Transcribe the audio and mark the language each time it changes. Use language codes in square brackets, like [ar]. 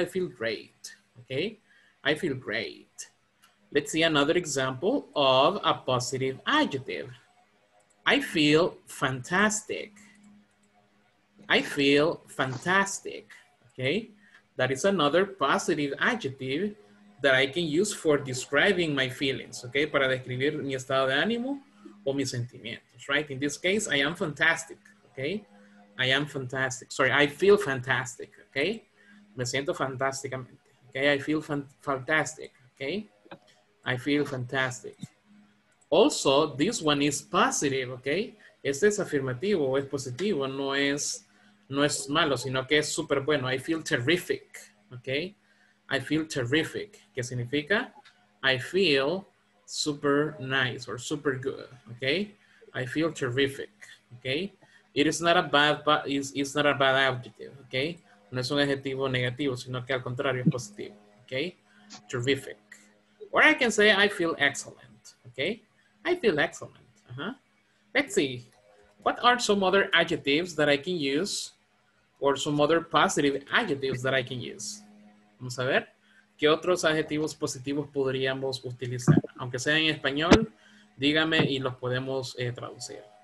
[en] I feel great, okay? I feel great. Let's see another example of a positive adjective. I feel fantastic. I feel fantastic, okay? That is another positive adjective that I can use for describing my feelings, okay? [es] Para describir mi estado de ánimo o mis sentimientos, right? [en] In this case, I am fantastic, okay? I am fantastic. Sorry, I feel fantastic, okay? [es] Me siento fantásticamente, [en] okay? I feel fantastic, okay? I feel fantastic. Also, this one is positive, okay? [es] Este es afirmativo, es positivo, no es, no es malo, sino que es súper bueno. [en] I feel terrific, okay? I feel terrific. [es] ¿Qué significa? [en] I feel super nice or super good, okay? I feel terrific, okay? It is not a bad, it's not a bad adjective, okay? [es] No es un adjetivo negativo, sino que al contrario, es positivo, okay? Terrific. [en] Or I can say, I feel excellent, okay? I feel excellent, uh-huh. Let's see, what are some other adjectives that I can use or some other positive adjectives that I can use? [es] Vamos a ver, ¿qué otros adjetivos positivos podríamos utilizar? Aunque sea en español, dígame y los podemos traducir.